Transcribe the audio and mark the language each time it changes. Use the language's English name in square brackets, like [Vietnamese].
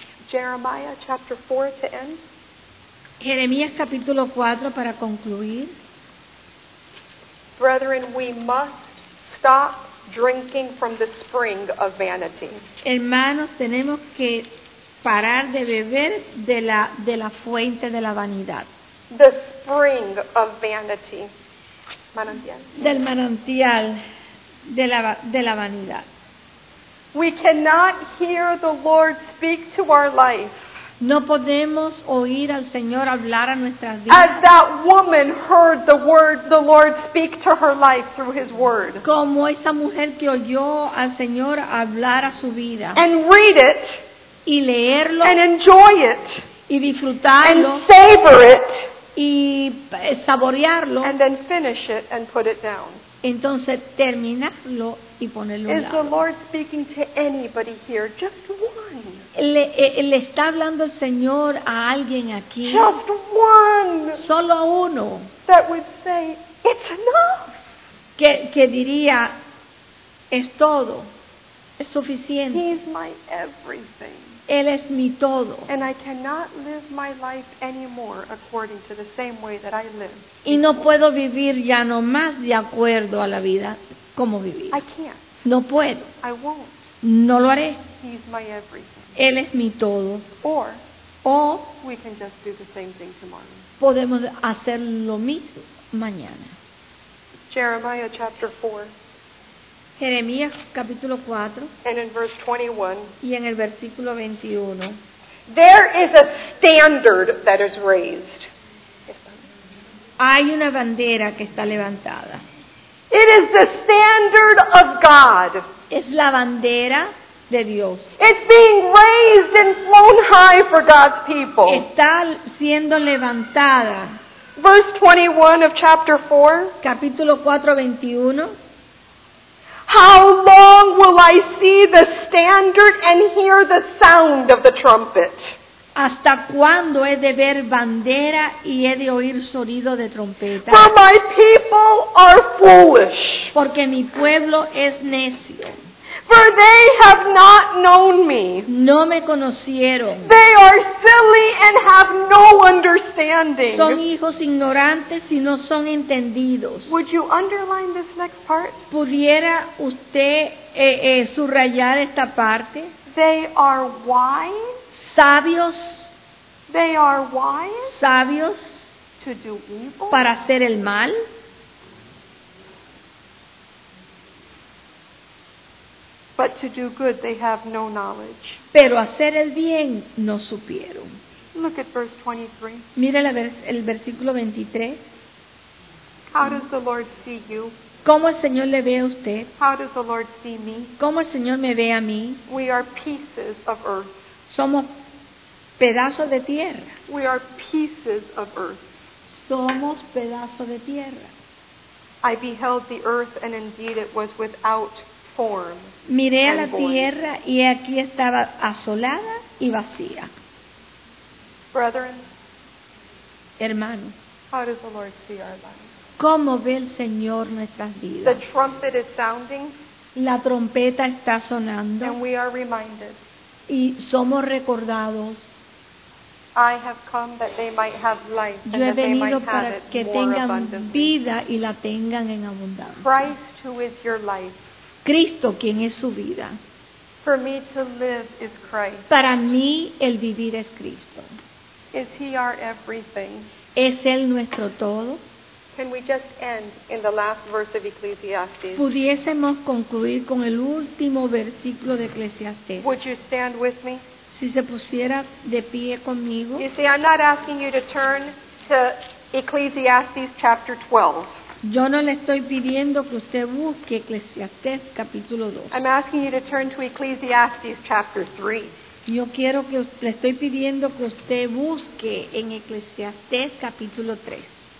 [English] Jeremiah chapter 4 to end. [Spanish] Jeremías capítulo 4 para concluir. [English] Brethren, we must stop drinking from the spring of vanity. [Spanish] Hermanos, tenemos que parar de beber de la fuente de la vanidad. [English] The spring of vanity. Manantial. [Spanish] Del manantial de la vanidad. [English] We cannot hear the Lord speak to our life. [Spanish] No podemos oír al Señor hablar a nuestras vidas. [English] As that woman heard the word, the Lord speak to her life through His word. [Spanish] Como esa mujer que oyó al Señor hablar a su vida. [English] And read it. [Spanish] Y leerlo. [English] And enjoy it. [Spanish] Y disfrutarlo. [English] And savor it. [Spanish] Y saborearlo. [English] And then finish it and put it down. [Spanish] Entonces terminarlo y ponerlo a un lado. [English] Is the Lord speaking to anybody here? Just one. [Spanish] le está hablando el Señor a alguien aquí. [English] Just one. [Spanish] Solo a uno. [English] That would say, it's enough. [Spanish] Que diría, es todo. Es suficiente. [English] He's my everything. [Spanish] Él es mi todo. [English] And I cannot live my life anymore according to the same way that I lived. [Spanish] Y no puedo vivir ya no más de acuerdo a la vida como vivía. [English] I can't. [Spanish] No puedo. [English] I won't. [Spanish] No lo haré. [English] He's my everything. [Spanish] Él es mi todo. [English] Or, [Spanish] o [English] we can just do the same thing tomorrow. [Spanish] Podemos hacer lo mismo mañana. [English] Jeremiah chapter 4. [Spanish] Jeremías capítulo 4. [English] And in verse 21. [Spanish] Y en el versículo 21. [English] There is a standard that is raised. [Spanish] Hay una bandera que está levantada. [English] It is the standard of God. [Spanish] Es la bandera de Dios. [English] It's being raised and flown high for God's people. [Spanish] Está siendo levantada. [English] Verse 21 of chapter 4. [Spanish] Capítulo 4, 21. [English] How long will I see the standard and hear the sound of the trumpet? [Spanish] ¿Hasta cuándo he de ver bandera y he de oír sonido de trompeta? [English] For my people are foolish. [Spanish] Porque mi pueblo es necio. [English] For they have not known me. [Spanish] No me conocieron. [English] They are silly and have no understanding. [Spanish] Son hijos ignorantes y no son entendidos. [English] Would you underline this next part? [Spanish] ¿Pudiera usted subrayar esta parte? [English] They are wise. [Spanish] Sabios. [English] They are wise. [Spanish] Sabios. [English] To do evil. [Spanish] Para hacer el mal. [English] But to do good, they have no knowledge. [Spanish] Pero hacer el bien, no supieron. [English] Look at verse 23. [Spanish] Mira el versículo 23. [English] How does the Lord see you? [Spanish] ¿Cómo el Señor le ve a usted? [English] How does the Lord see me? [Spanish] ¿Cómo el Señor me ve a mí? [English] We are pieces of earth. [Spanish] Somos pedazos de tierra. [English] We are pieces of earth. [Spanish] Somos pedazos de tierra. [English] I beheld the earth, and indeed it was without [Spanish] miré a la tierra y aquí estaba asolada y vacía. [English] Brethren, [Spanish] hermanos, [English] how does the Lord see our lives? [Spanish] ¿Cómo ve el Señor nuestras vidas? [English] The trumpet is sounding, [Spanish] la trompeta está sonando, [English] and we are reminded, [Spanish] y somos recordados. [English] I have come that they might have life, [Spanish] yo he venido [English] that they might [Spanish] para que tengan vida y la tengan en abundancia. [English] Christ, who is your life. [Spanish] Cristo, quien es su vida. [English] For me to live is Christ. [Spanish] Para mí, el vivir es Cristo. [English] Is he our everything? [Spanish] ¿Es Él nuestro todo? [English] Can we just end in the last verse of Ecclesiastes? [Spanish] ¿Pudiésemos concluir con el último versículo de Eclesiastés? [English] Would you stand with me? [Spanish] Si se pusiera de pie conmigo. [English] You see, I'm not asking you to turn to Ecclesiastes chapter 12. [Spanish] Yo no le estoy pidiendo que usted busque Eclesiastés capítulo 2. [English] I'm asking you to turn to Ecclesiastes chapter 3. [Spanish] Yo quiero que le estoy pidiendo que usted busque en Eclesiastés capítulo 3.